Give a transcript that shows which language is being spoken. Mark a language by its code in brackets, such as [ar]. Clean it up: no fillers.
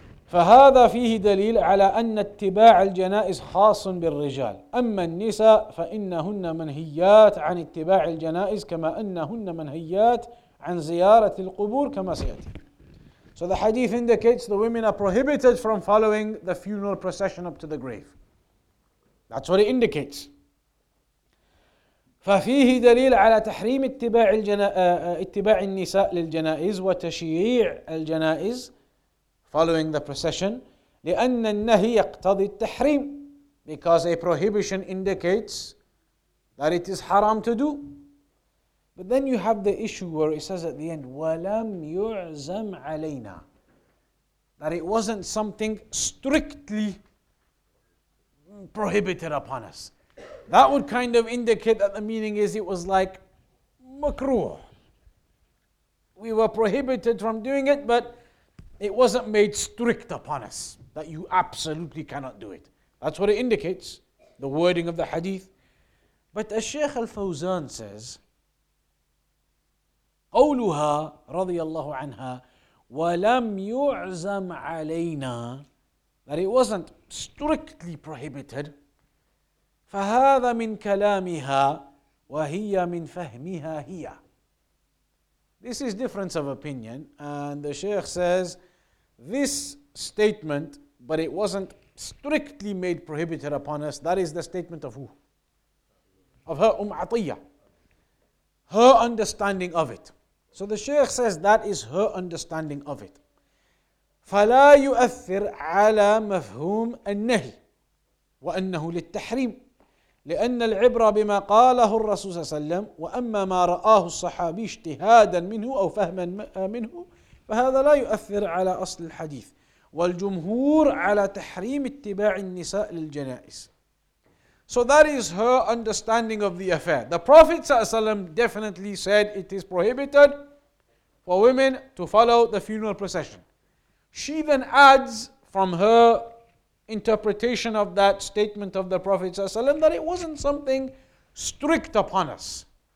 [ar] فَهَذَا فِيهِ دَلِيلٌ عَلَىٰ أَنَّ اتِّبَاعَ الْجَنَائِزِ خَاصٌ بِالرِّجَالِ أَمَّا النِّسَاءُ فَإِنَّهُنَّ مَنْهِيَّاتٌ عَنِ اتِّبَاعِ الْجَنَائِزِ كَمَا أَنَّهُنَّ مَنْهِيَّاتٌ عَنْ زِيَارَةِ الْقُبُورِ كَمَا سَيَأْتِي. [en] So the hadith indicates the women are prohibited from following the funeral procession up to the grave. That's what it indicates. [ar] ففيه دليل على تحريم اتباع النساء للجنائز وتشييع الجنائز [en] following the procession [ar] لأن النهي يقتضي التحريم [en] because a prohibition indicates that it is haram to do. But then you have the issue where it says at the end [ar] وَلَمْ يُعْزَمْ عَلَيْنَا [en] that it wasn't something strictly prohibited upon us. That would kind of indicate that the meaning is it was like makruh. We were prohibited from doing it, but it wasn't made strict upon us that you absolutely cannot do it. That's what it indicates, the wording of the hadith. But as Shaykh Al-Fawzan says, [ar] قولها رضي الله عنها ولم يعزم علينا [en] that it wasn't strictly prohibited. [ar] فهذا من كلامها وهي من فهمها هي. [en] This is difference of opinion, and the Shaykh says this statement, but it wasn't strictly made prohibited upon us. That is the statement of who? Of her Atiyah. Her understanding of it. So the Shaykh says that is her understanding of it. [ar] فلا يؤثر على مفهوم النهي وأنه للتحريم لأن العبرة بما قاله الرسول صلى الله عليه وسلم وأما ما رآه الصحابي اجتهادا منه أو فهما منه فهذا لا يؤثر على أصل الحديث والجمهور على تحريم اتباع النساء للجنائز. [en] So that is her understanding of the affair. The Prophet ﷺ definitely said it is prohibited for women to follow the funeral procession. She then adds from her interpretation of that statement of the Prophet ﷺ that it wasn't something strict upon us.